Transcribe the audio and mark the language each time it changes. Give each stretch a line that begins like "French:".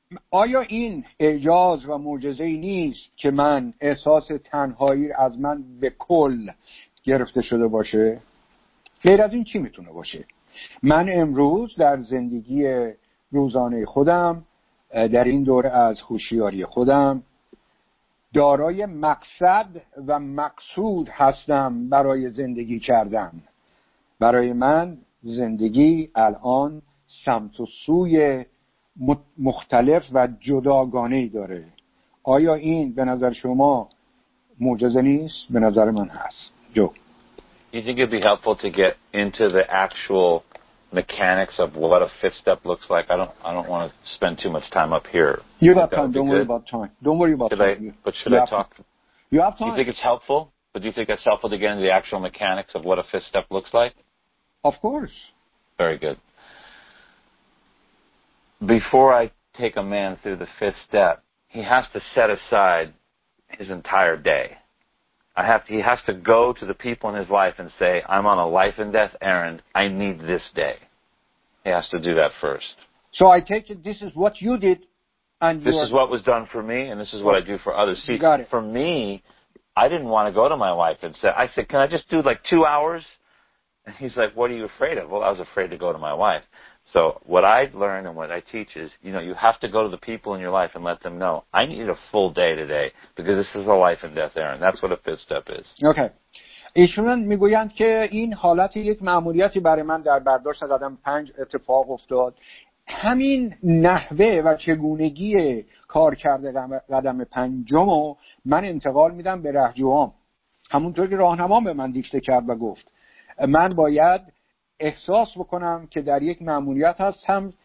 Persian: آیا این اعجاز و معجزه نیست که من احساس تنهایی از من به کل گرفته شده باشه؟ غیر از این چی میتونه باشه؟ من امروز در زندگی روزانه خودم در این دوره از هوشیاری خودم دارای مقصد و مقصود هستم برای زندگی کردن. برای من زندگی الان سمت و سوی مختلف و جداگانه ای داره. آیا این به نظر شما معجزه نیست؟ به نظر من هست. جو.
English: You think it'd be helpful to get into the actual mechanics of what a fifth step looks like? I don't want to spend too much time up here. You have time. Don't worry about time. But should I talk? You have time. You think it's helpful? But do you think it's helpful to get into the actual mechanics of what a fifth step looks like? Of course. Very good. Before I take a man through the fifth step, he has to set aside his entire day. He has to go to the people in his life and say, I'm on a life and death errand. I need this day. He has to do that first. So I take it this is what you did. And this you is what was done for me, and this is what I do for others. See, got it. For me, I didn't want to go to my wife and say, I said, can I just do like 2 hours? And he's like, what are you afraid of? Well, I was afraid to go to my wife. So what I learn and what I teach is, you know, you have to go to the people in your life and let them know, I need a full day today because this is a life and death errand. That's what a fifth step is. Okay.
Persian: ایشون میگویند که این حالت یک ماموریتی برای من در برداشت از آدم 5 اتفاق افتاد. همین نحوه و چگونگی کار کرده قدم پنجمو من انتقال میدم به رهجوام. همونطور که راهنمام به من دیکته کرد و گفت من باید احساس بکنم که در یک مأموریت هستم.